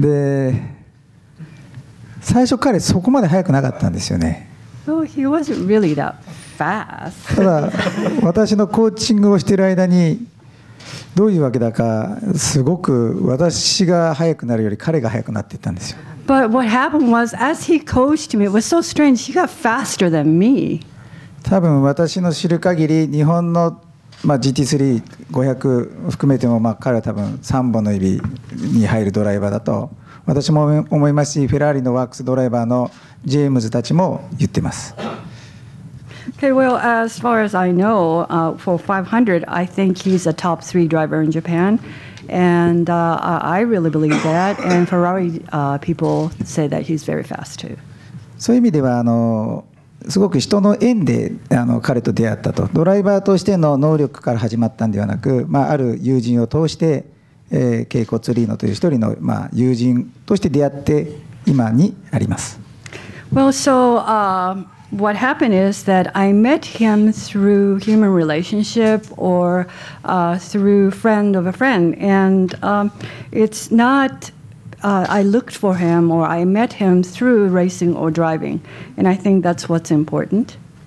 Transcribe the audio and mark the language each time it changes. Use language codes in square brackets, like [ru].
[ja] で、最初彼そこまで速くなかったんですよね。 [en] Oh, he wasn't really that fast. [ja] ただ私のコーチングをしている間に、どういうわけだかすごく私が速くなるより彼が速くなっていったんですよ。 [en] But what happened was, as he coached me, it was so strange. He got faster than me. [ja] 多分私の知る限り、日本のまあ、GT3 500含めても、まあ、彼は多分3本の指に入るドライバーだと私も思いますし、フェラーリのワークスドライバーのジェームズたちも言ってます。 [en] Okay, well, as far as I know, for 500, I think he's a top three driver in Japan. And I really believe that. And Ferrari people say that he's very fast too. [ja] そういう意味では、すごく人の縁で彼と出会ったと、ドライバーとしての能力から始まったんではなく、まあ、ある友人を通して、ケイコツリーノという一人の、まあ、友人として出会って今にあります。 [en] Well, so, what happened is that I met him through human relationship or through friend of a friend, and it's not I looked for him or I met him through racing or driving, and I think that's what's important.